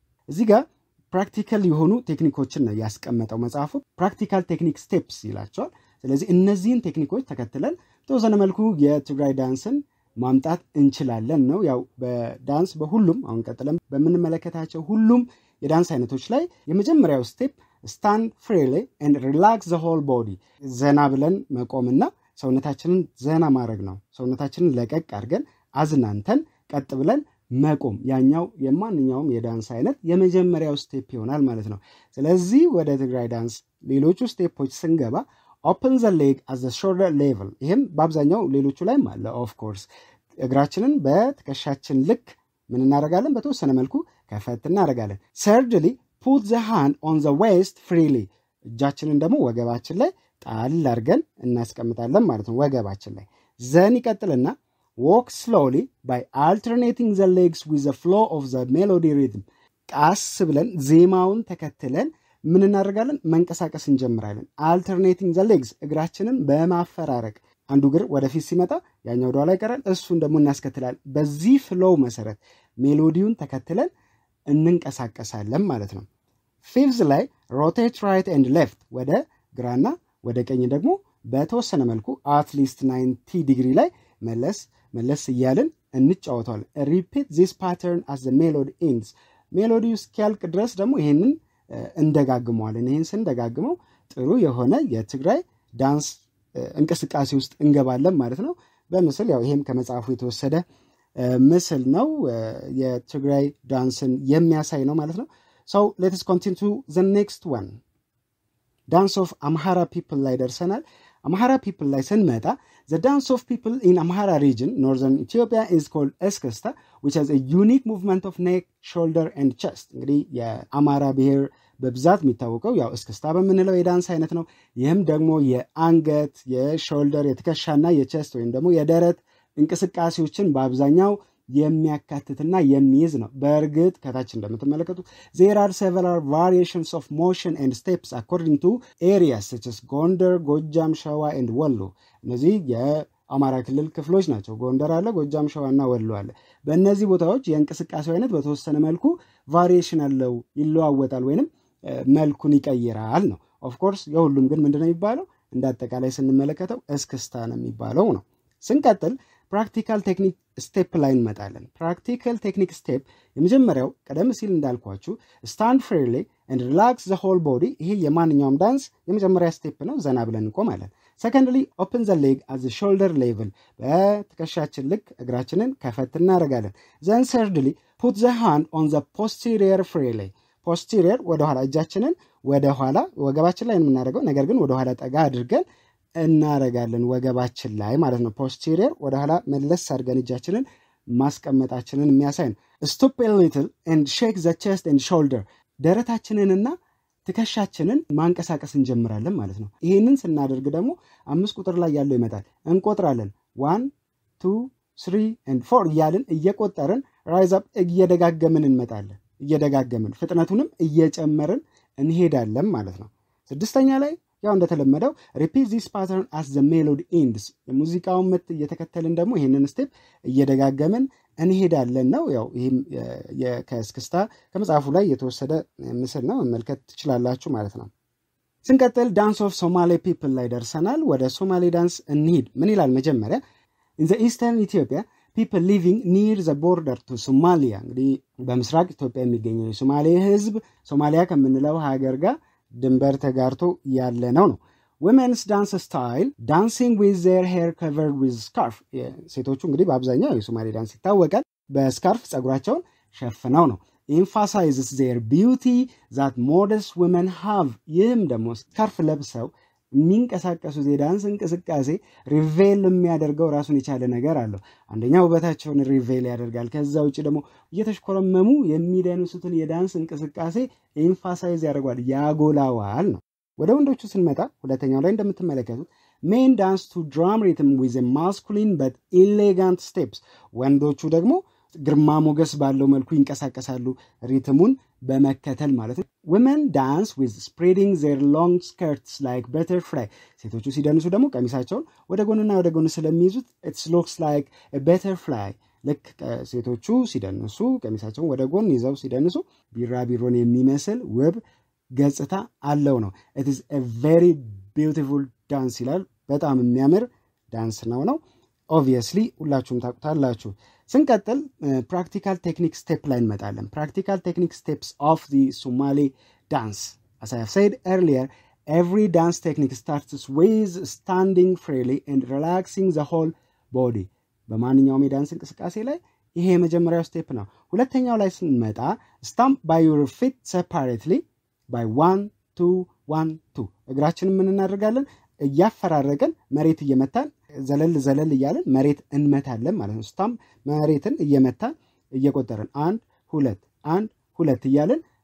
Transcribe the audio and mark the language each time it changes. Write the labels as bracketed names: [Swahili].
[Amharic] እዚህ ጋር ፕራክቲካል የሆኑ ቴክኒኮችን ነው ያስቀመጠው መጽሐፉ። ፕራክቲካል ቴክኒክ ስቴፕስ ይላቸዋል። ስለዚህ እነዚህን ቴክኒኮች ተከትለን ተወሰነ መልኩ የትግራይ ዳንስን ማምጣት እንችላለን ነው። ያው በዳንስ በሁሉም አሁን ቀጥለን በምንመለከታቸው ሁሉም የዳንስ አይነቶች ላይ የመጀመሪያው ስቴፕ [English] stand freely and relax the whole body. [Amharic] ዘና ብለን መቆምና ሰውነታችንን ዘና ማድረግ ነው። ሰውነታችንን ለቀቅ አድርገን አዝናንተን ቀጥ ብለን መቆም ያኛው የማንኛውም የዳንስ አይነት የመጀመሪያው ስቴፕ ይሆናል ማለት ነው። ስለዚህ ወደ ትግራይ ዳንስ ሌሎች ስቴፖች ስንገባ [English] open the leg as the shoulder level. [Amharic] ይሄ ባብዛኛው ሌሎቹ ላይ ማለ of course እግራችንን በትከሻችን ልክ ምን እናረጋለን በተወሰነ መልኩ ከፈት እናረጋለን. [English] Thirdly, put the hand on the waist freely. [Amharic] እጃችንን ደግሞ ወገባችን ላይ ጣል አርገን እናስቀምጣለን ማለት ነው ወገባችን ላይ. [English] Then [Amharic] ይቀጥልና [English] walk slowly by alternating the legs with the flow of the melody rhythm. [Amharic] ቀስ ብለን ዜማውን ተከትለን ምን እናረጋለን መንቀሳቀስ እንጀምራለን. [English] Alternating the legs [Amharic] እግራችንን በማፈራረቅ አንዱ እግር ወደፊት ሲመጣ ያኛው ወደ ኋላ ይቀራል እሱን ደግሞ እናስከትላል. በዚህ ፍሎው መሰረት ሜሎዲውን ተከትለን እንንቀሳቀሳለን ማለት ነው. Fifth ላይ [English] rotate right and left [Amharic] ወደ ግራና ወደ ቀኝ ደግሞ በተወሰነ መልኩ at least 90 ዲግሪ ላይ መለስ ይያልን እንጫወታለን. [English] Repeat this pattern as the melody ends. [Amharic] ሜሎዲው ስኪልክ ድረስ ደግሞ ይሄንን እንደጋግመዋለን. ይሄን ስንደጋግመው ጥሩ የሆነ የትግራይ ዳንስ እንቅስቃሴ ውስጥ እንገባለን ማለት ነው. በመስል ያው ይሄም ከመጻፉ የተወሰደ መስል ነው የትግራይ ዳንስን የሚያሳይ ነው ማለት ነው. [English] So let us continue to the next one. Dance of Amhara people leaders ነን. Amhara people [Amharic] ላይ ስንመጣ [English] the dance of people in Amhara region northern Ethiopia is called Eskesta which has a unique movement of neck shoulder and chest. [Amharic] እንግዲህ የአማራ ብሔር በብዛት የሚታወቀው ያው እስክስታ በመንለው የዳንስ አይነት ነው. ይሄም ደግሞ የአንገት የሾልደር የትከሻና የቼስት ወይንም ደግሞ የደረት እንቅስቃሴዎችን በአብዛኛው የሚያካትትና የሚይዝ ነው. በእርግጥ ከታች እንደምትመለከቱት [English] there are several variations of motion and steps according to areas such as Gondar, Gojjam, Showa and Wollo. [Amharic] እነዚህ የአማራ ክልል ክፍሎች ናቸው. ጎንደር አለ ጎጃም ሸዋና ወሎ አለ. በእነዚህ ቦታዎች የእንቅስቃሴ አይነት በተወሰነ መልኩ variation አለው ይለዋወጣል ወይንም መልኩን ይቀይራል ነው. of course የሁሉም ግን ምንድነው የሚባለው እንዳጠቃላይ ስንመለከተው እስክስታ ነው የሚባለው ነው. ስንቀጥል [English] practical technique step line [Amharic] መጣለን. [English] practical technique step [Amharic] የመጀመሪያው ቀደም ሲል እንዳልኳችሁ [English] stand freely and relax the whole body. [Amharic] ይሄ የማንኛውም ዳንስ የመጀመሪያ step ነው. ዘና ብለን እንቆማለን. [English] secondly open the leg as the shoulder level. [Amharic] በትከሻችን ልክ እግራችንን ከፈት እናረጋለን. [English] then thirdly put the hand on the posterior freely. [Amharic] posterior ወደ ኋላ እጃችንን ወደ ኋላ ወገባችን ላይ እናረጋለን. ነገር ግን ወደ ኋላ ጠጋ አድርገን እናረጋለን ወገባችን ላይ ማለት ነው. posterior ወደ ኋላ መለስ አድርገን እጃችንን ማስቀመጣችንን የሚያሳይን. [English] stop a little and shake the chest and shoulder. [Amharic] ደረታችንንና ትከሻችንን ማንቀሳቀስ እንጀምራለን ማለት ነው. ይሄንን ስናደርግ ደግሞ አምስት ቁጥር ላይ ያለው ይመጣል. እንቆጥራለን 1 2 3 and 4 ያልን እየቆጠረን [English] rise up [Amharic] እየደጋገመን እንመጣለን. እየደጋገመን ፍጥነቱንም እየጨመረን እንሄዳለን ማለት ነው. ስድስተኛ ላይ ያው እንደተለመደው [English] repeat this pattern as the melody ends. [Amharic] የሙዚቃውን መት እየተከተልን ደግሞ ይሄንን step እየደጋገመን እንሄዳለን ነው. ያው ይሄም የከስክስታ ከመጻፉ ላይ የተወሰደ ምስል ነው መልከት ትችላላችሁ ማለት ነው. ስንቀጥል [English] dance of Somali people [Amharic] ላይ ደርሰናል. ወደ Somali dance እንሂድ. ምን ይላል መጀመሪያ [English] in the eastern Ethiopia people living near the border to Somalia. [Amharic] እንግዲህ በምስራቅ ኢትዮጵያ የሚገኘው የሶማሊ ህዝብ ሶማሊያ ከምንለው ሀገር ጋር ድንበር ተጋርቶ ያለ ነው ነው. [English] women's dance style dancing with their hair covered with scarf. [Amharic] ሴቶቹ እንግዲህ በአብዛኛው የሶማሊ ዳንስ ይታወቃል በscarf ጸጉራቸውን ሸፍነው ነው. [English] emphasizes their beauty that modest women have. [Amharic] ይህም ደግሞ scarf ለብሰው ሚንቀሳቀሱ ዳንስ እንቅስቃሴ ሪቬል የሚያደርገው ራሱን የቻለ ነገር አለው. አንደኛው በታቸውን ሪቬል ያደርጋል. ከዛው እጪ ደግሞ እየተሽኮረመሙ የሚደንሱትን የዳንስ እንቅስቃሴ ኤምፋሳይዝ ያደርጋል ያጎላዋል ነው. ወደ ወንዶቹ ስንመጣ ሁለተኛው ላይ እንደምትመለከቱት [English] main dance to drum rhythm with a masculine but elegant steps. [Amharic] ወንዶቹ ደግሞ ግርማ ሞገስ ባለው መልኩ ይንቀሳቀሳሉ ሪትሙን በመከተል ማለት ነው. [English] women dance with spreading their long skirts like butterfly. [Amharic] ሴቶቹ ሲደንሱ ደግሞ ቀሚሳቸውን ወደ ጎንና ወደ ጎን ስለሚይዙት [English] it looks like a butterfly. [Amharic] ልክ ሴቶቹ ሲደንሱ ቀሚሳቸውን ወደ ጎን ይዘው ሲደንሱ ቢራቢሮን የሚመስል ውብ ገጽታ አለው ነው. [English] it is a very beautiful dance [Amharic] ይላል. በጣም የሚያምር ዳንስ ነው ነው. obviously ሁላችሁም ታውቃላችሁ. ስንቀጥል [English] practical technique step line [Amharic] መጣለን. [English] practical technique steps of the Somali dance. as I have said earlier every dance technique starts with standing freely and relaxing the whole body. [Amharic] በማንኛውም የዳንስ እንቅስቃሴ ላይ ይሄ የመጀመሪያው step ነው. ሁለተኛው ላይ ስንመጣ [English] stamp by your feet separately by 1 2 [Amharic] 1 2 እግራችንን ምን እናደርጋለን እያፈራረቀን መሬት እየመታን ዘለል ዘለል ይያልን መሬት እንመታለን ማለት ነው። ስታም መሬትን እየመታ እየቆጠረን 1 2 1 2 ይያልን